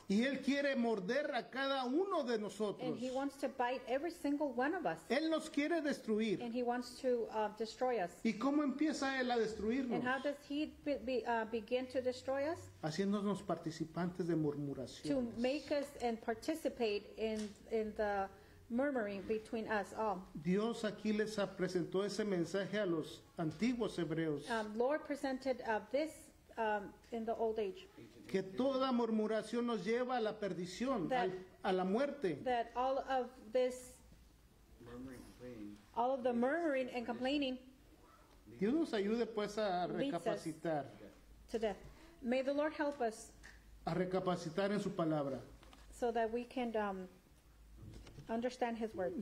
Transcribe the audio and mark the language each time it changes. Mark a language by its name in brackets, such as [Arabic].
[Spanish] Y él quiere morder a cada uno de nosotros. [English] And he wants to bite every single one of us. [Spanish] Él nos quiere destruir. [English] And he wants to destroy us. [Spanish] ¿Y cómo empieza él a destruirnos? [English] And how does he begin to destroy us? [Spanish] Haciéndonos participantes de murmuraciones. [English] To make us and participate in the murmuring between us all. [Spanish] Dios aquí les presentó ese mensaje a los antiguos hebreos. [English] Lord presented this in the old age. [Spanish] Que toda murmuración nos lleva a la perdición, a la muerte. [English] That all of this, all of the murmuring and complaining, [Spanish] Dios nos ayude pues a recapacitar. [English] To death. May the Lord help us. [Spanish] A recapacitar en su palabra. [English] So that we can understand his word.